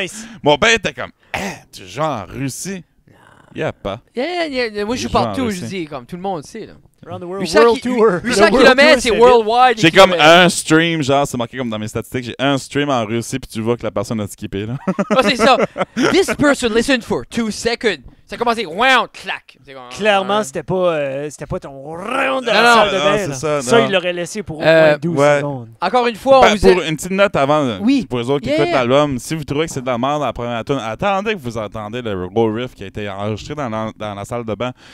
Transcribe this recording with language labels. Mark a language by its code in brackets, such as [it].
[en] Nice. [fr] Mon père était comme, tu joues en Russie? Nah. Y'a pas. [en] Yeah. [fr] Moi je joue partout, je dis, comme tout le monde sait. Là. [en] Around the world, 800 tour. [fr] 800 km, c'est worldwide. J'ai comme un stream, genre, c'est marqué comme dans mes statistiques, j'ai un stream en Russie, puis tu vois que la personne a skippé là. Ah, oh, c'est ça. [en] This person listened for 2 seconds. [fr] Ça a commencé, wow, clac. Comme, clairement, c'était pas ton round de la salle de bain. Ça, il l'aurait laissé pour 12 ouais. secondes. Encore une fois, ben, on vous pour une petite note avant, oui. pour les autres qui écoutent l'album, si vous trouvez que c'est de la merde la première tune, attendez que vous entendez le gros riff qui a été enregistré dans la salle de bain.